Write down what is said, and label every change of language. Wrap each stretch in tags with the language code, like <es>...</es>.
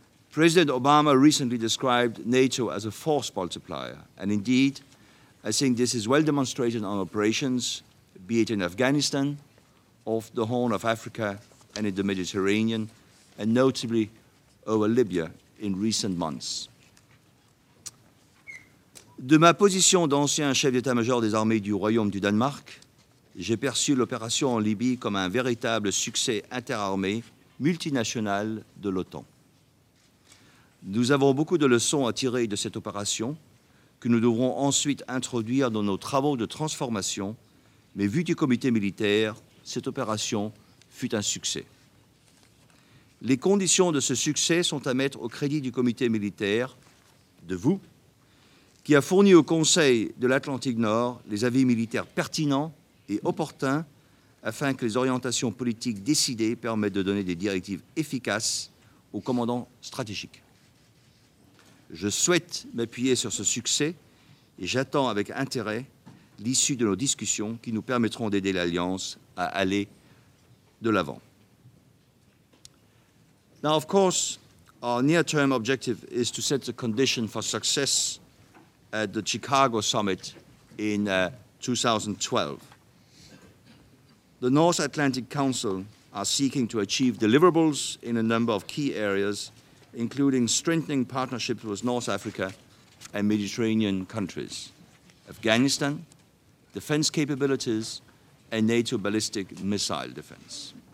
<en>President Obama recently described NATO as a force multiplier, and indeed, I think this is well demonstrated on operations, be it in Afghanistan, off the Horn of Africa, and in the Mediterranean, and notably over Libya in recent months.</en> <fr>De ma position d'ancien chef d'état-major des armées du Royaume du Danemark, j'ai perçu l'opération en Libye comme un véritable succès interarmée multinationale de l'OTAN. Nous avons beaucoup de leçons à tirer de cette opération que nous devrons ensuite introduire dans nos travaux de transformation, mais vu du comité militaire, cette opération fut un succès. Les conditions de ce succès sont à mettre au crédit du comité militaire, de vous, qui a fourni au Conseil de l'Atlantique Nord les avis militaires pertinents et opportuns afin que les orientations politiques décidées permettent de donner des directives efficaces aux commandants stratégiques. Je souhaite m'appuyer sur ce succès et j'attends avec intérêt l'issue de nos discussions qui nous permettront d'aider l'Alliance à aller de l'avant.</fr> <en>Now, of course, our near-term objective is to set the condition for success at the Chicago summit in 2012. The North Atlantic Council are seeking to achieve deliverables in a number of key areas, including strengthening partnerships with North Africa and Mediterranean countries, Afghanistan, defense capabilities, and NATO ballistic missile defense.</en>